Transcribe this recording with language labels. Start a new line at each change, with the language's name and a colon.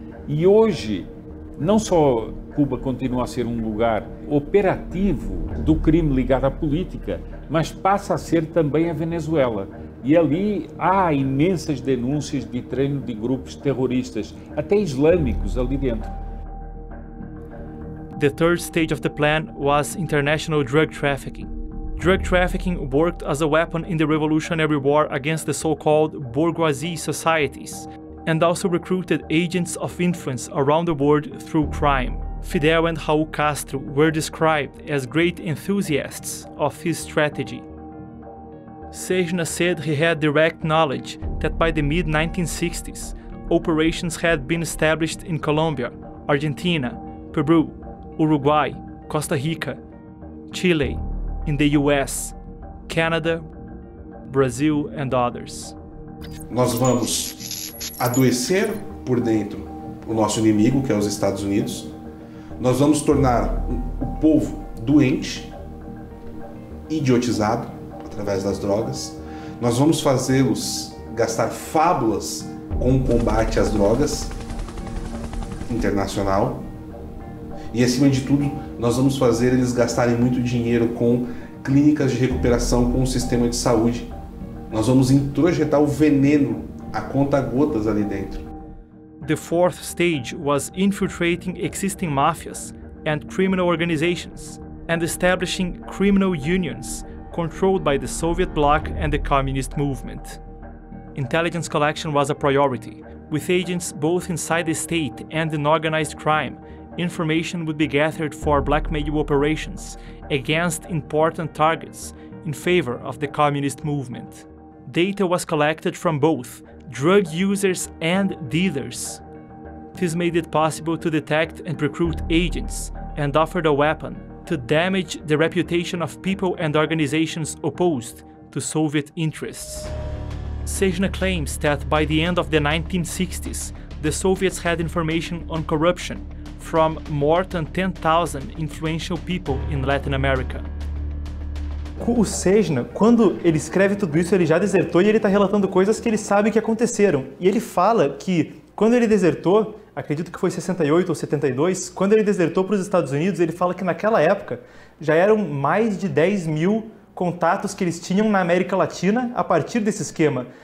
Portuguese: E hoje, não só Cuba continua a ser um lugar operativo do crime ligado à política, mas passa a ser também a Venezuela. E ali há imensas denúncias de treino de grupos terroristas, até islâmicos ali dentro.
English: The third stage of the plan was international drug trafficking. Drug trafficking worked as a weapon in the Revolutionary War against the so-called bourgeoisie societies, and also recruited agents of influence around the world through crime. Fidel and Raul Castro were described as great enthusiasts of his strategy. Sejna said he had direct knowledge that by the mid-1960s, operations had been established in Colombia, Argentina, Peru, Uruguay, Costa Rica, Chile, in the US, Canada, Brazil and others.
Portuguese: Nós vamos adoecer por dentro o nosso inimigo, que é os Estados Unidos. Nós vamos tornar o povo doente, idiotizado, através das drogas. Nós vamos fazê-los gastar fábulas com o combate às drogas internacional e, acima de tudo, nós vamos fazer eles gastarem muito dinheiro com clínicas de recuperação, com o sistema de saúde. Nós vamos introjetar o veneno a conta gotas ali dentro.
English: The fourth stage was infiltrating existing mafias and criminal organizations and establishing criminal unions controlled by the Soviet bloc and the communist movement. Intelligence collection was a priority. With agents both inside the state and in organized crime, information would be gathered for blackmail operations against important targets in favor of the communist movement. Data was collected from both drug users and dealers. This made it possible to detect and recruit agents and offered a weapon to damage the reputation of people and organizations opposed to Soviet interests. Sejna claims that by the end of the 1960s, the Soviets had information on corruption from more than 10,000 influential people in Latin America.
Portuguese: O Sejna, quando ele escreve tudo isso, ele já desertou e ele está relatando coisas que ele sabe que aconteceram. E ele fala que quando ele desertou, acredito que foi 68 ou 72, quando ele desertou para os Estados Unidos, ele fala que naquela época já eram mais de 10 mil contatos que eles tinham na América Latina a partir desse esquema.